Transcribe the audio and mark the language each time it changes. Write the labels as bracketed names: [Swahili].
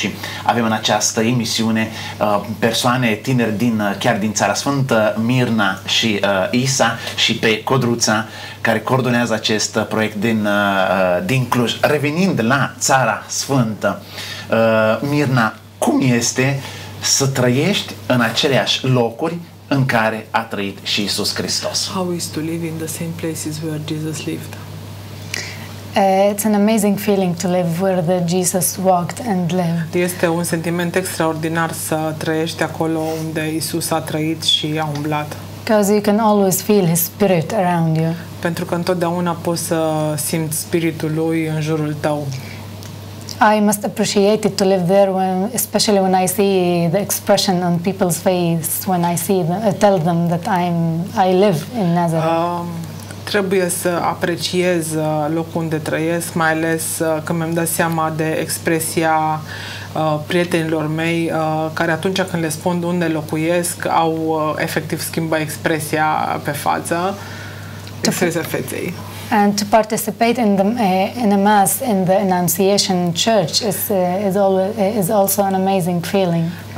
[Romanian] Și avem în această emisiune persoane tineri chiar din Țara Sfântă, Mirna și Isa, și pe Codruța, care coordonează acest proiect din Cluj. Revenind la Țara Sfântă, Mirna, cum este să trăiești în aceleași locuri în care a trăit și Iisus Hristos? [English] How is to live in the same places where Jesus lived? It's an amazing feeling to live where the Jesus walked and lived. [Romanian] Este un sentiment extraordinar să trăiești acolo unde Isus a trăit și a umblat. [English] Because you can always feel his spirit around you. [Romanian] Pentru că întotdeauna poți să simți spiritul lui în jurul tău. [English] I must appreciate it to live there, especially when I see the expression on people's face when I see them, tell them that I live in Nazareth. [Romanian] Trebuie să apreciez locul unde trăiesc, mai ales când mi-am dat seama de expresia prietenilor mei, care atunci când le spun unde locuiesc, au efectiv schimbat expresia pe față, expresia feței. [English] And to participate in a mass in the Annunciation Church is also an amazing feeling.